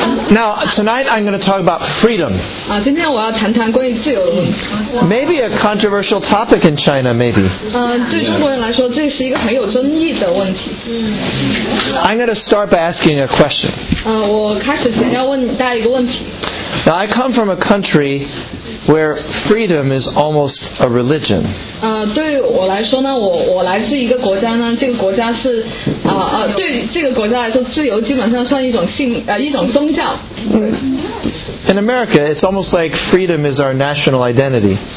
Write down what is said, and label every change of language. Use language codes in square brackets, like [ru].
[en] Now, tonight I'm going to talk about freedom. [zh] 今天我要谈谈关于自由的问题。 [en] Maybe a controversial topic in China, maybe. [zh] 对中国人来说, 这是一个很有争议的问题。 [en] I'm going to start by asking a question. [zh] 我开始先要问大家一个问题。 [en] Now, I come from a country where freedom is almost a religion. [zh] 对我来说呢，我来自一个国家呢，这个国家是，对这个国家来说，自由基本上算一种宗教。 [en] In America, it's almost like freedom is our national identity.